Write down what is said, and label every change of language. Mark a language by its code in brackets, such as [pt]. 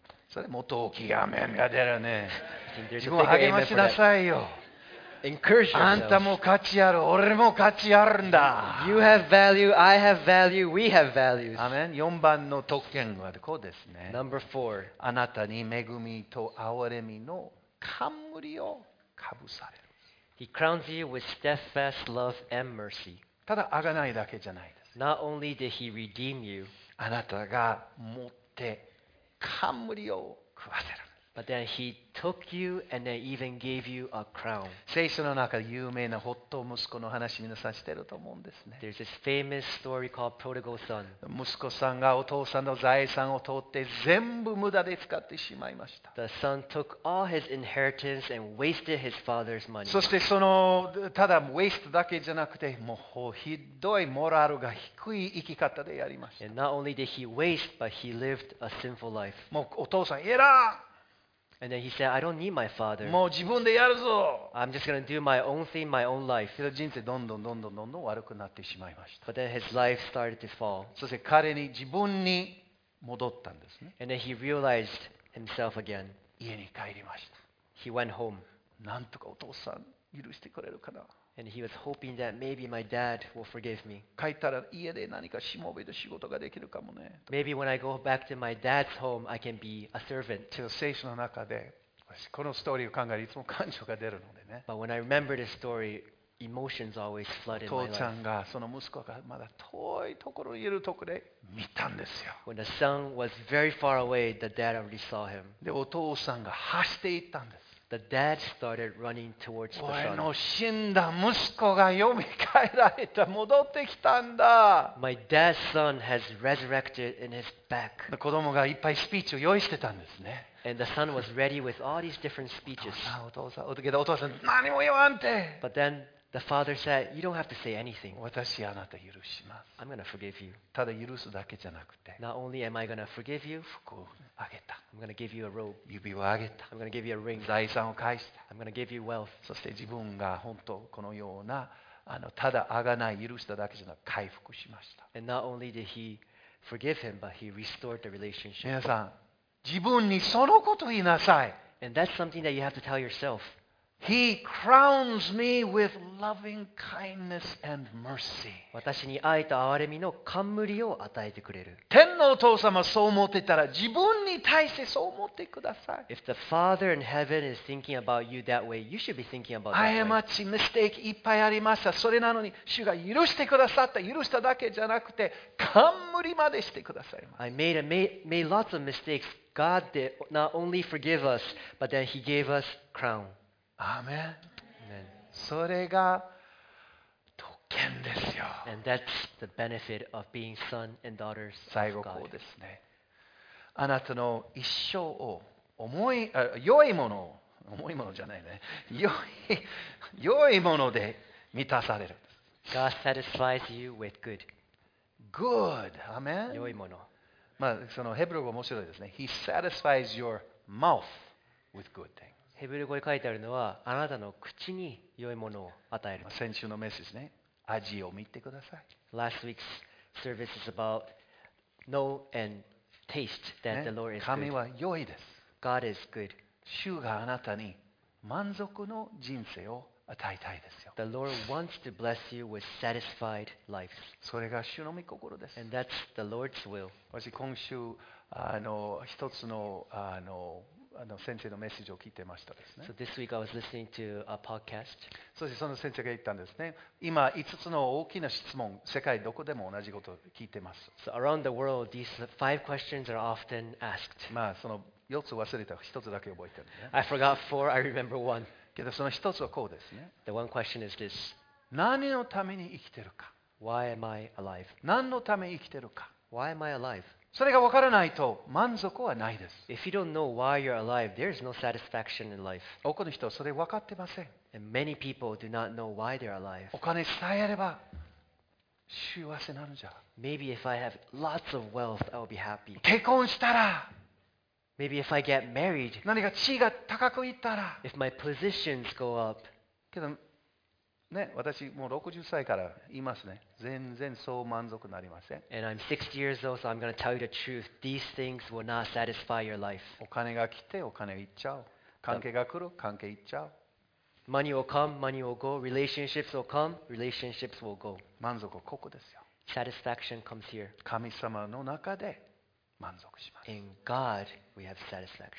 [ja] それもっと大きいアメンが出るね。自分を励ましなさいよ。あんたも価値ある、俺も価値あるんだ。 [en] You have value, I have value, we have values. [ja] アメン。 4番の特権はこうですね。 [en] Number four. [ja] あなたに恵みと憐れみの冠をかぶされる。 [en] He crowns you with steadfast love and mercy. [ja] ただ贖いだけじゃないです。 [en] Not only did he redeem you. [ja] あなたが持って冠を食わせる。 [en] But then he took you and then even gave you a crown. [ja] 聖書の中で有名なホット息子の話皆さんしてると思うんですね。 [en] There's this famous story called Prodigal Son. [ja] 息子さんがお父さんの財産を取って全部無駄で使ってしまいました。 [en] The son took all his inheritance and wasted his father's money. [ja] そしてそのただウェイストだけじゃなくてもうひどいモラルが低い生き方でやりました。 [en] And not only did he waste, but he lived a sinful life. [ja] もうお父さん偉い。 [en] And then he said, "I don't need my father." [ja] もう自分でやるぞ。 [en] I'm just going to do my own thing, my own life. [ja] 人生どんどんどんどんどんどん悪くなってしまいました。 [en] But then his life started to fall. [ja] そして彼に自分に戻ったんですね。 [en] And then he realized himself again. [ja] 家に帰りました。 [en] He went home. [ja] なんとかお父さん許してくれるかな。 [en] And he was hoping that maybe my dad will forgive me. [ja] 帰ったら家で何かしもべで仕事ができるかもね。 [en] Maybe when I go back to my dad's home, I can be a servant. [ja] 聖書の中でこのストーリーを考えるといつも感情が出るのでね。 [en] But when I remember this story, emotions always flood in my life. [ja] 父ちゃんがその息子がまだ遠いところにいるところで見たんですよ。 [en] When the son was very far away, the dad already saw him. [ja] で、お父さんが走っていったんです。 [en] The dad started running towards the son. [ja] 俺の死んだ息子が蘇られた、戻ってきたんだ。 [en] My dad's son has resurrected in his back. [ja] 子供がいっぱいスピーチを用意してたんですね。 [en] And the son was ready with all these different speeches. [ja] お父さん、何も言わんて。 [en] But then the father said, "You don't have to say anything." [ja] 私あなた許します。 [en] I'm gonna forgive you. [ja] ただ許すだけじゃなくて。 [en] Not only am I gonna forgive you, [ja] 服をあげた。 [en] I'm gonna give you a robe. [ja] 指をあげた。 [en] I'm gonna give you a ring. [ja] 財産を返した。 [en] I'm gonna give you wealth. [ja] そして自分が本当このようなただあがない許しただけじゃなく回復しました。 [en] And not only did he forgive him, but he restored the relationship. [ja] 皆さん、自分にそのことを言いなさい。 [en] And that's something that you have to tell yourself. He crowns me with loving kindness and mercy. [ja] 私に愛と憐れみの冠を与えてくれる。天のお父様そう思ってたら、自分に対してそう思ってください。 [en] If the Father in heaven is thinking about you that way, you should be thinking about that. [ja] 過ち、mistake いっぱいありました。それなのに主が許してくださった。許しただけじゃなくて冠までしてくださいました。 [en] I made lots of mistakes. God did not only forgive us, but then He gave us crown. [ja] アーメン。それが特権ですよ。 [en] And that's the benefit of being son and daughters of God. [ja] 最後こうですね。あなたの一生を良いものを、重いものじゃないね。良いもので満たされる。 [en] God satisfies you with good. Good. アーメン。 [ja] 良いもの。まあ、そのヘブル語面白いですね。 [en] He satisfies your mouth with good things. [ja] ヘブル語に書いてあるのは、あなたの口に良いものを与える。先週のメッセージね、味を見てください。 [en] Last week's service is about know and taste that the Lord is good. [ja] 神は良いです。 [en] God is good. [ja] 主があなたに満足の人生を与えたいですよ。 [en] The Lord wants to bless you with satisfied lives. [ja] それが主の御心です。 [en] And that's the Lord's will. [ja] 私今週一つの先生のメッセージを聞いてましたですね。 [en] So this week I was listening to a podcast. [ja] そしてその先生が言ったんですね。今5つの大きな質問、世界どこでも同じことを聞いてます。 [en] So around the world, these five questions are often asked. [ja] まあその4つ忘れた、1つだけ覚えてる、ね。 [en] I forgot four, I remember one. [ja] けどその1つはこうですね。 [en] The one question is this. [ja] 何のために生きてるか。 [en] Why am I alive? [ja] 何のために生きてるか。 [en] Why am I alive? [ja] それが分からないと満足はないです。 [en] If you don't know why you're alive, there is no satisfaction in life. [ja] 多くの人はそれ分かってません。 [en] And many people do not know why they're alive. [ja] お金さえあれば幸せなのじゃ。 [en] Maybe if I have lots of wealth, I'll be happy. [ja] 結婚したら。 [en] Maybe if I get married. [ja] 何か地位が高くいったら。 [en] If my positions go up. [ja] けどね、私もう60歳から言いますね。全然そう満足なりません。 [en] And I'm 60 years old, so I'm going to tell you the truth. These things will not satisfy your life. [ja] お金が来てお金行っちゃう。関係が来る関係行っちゃう。 [en] Money will come, money will go. Relationships will come, relationships will go. [ja] 満足はここですよ。 [en] Satisfaction comes here. [ja] 神様の中で満足します。 [en] In God, we have satisfaction.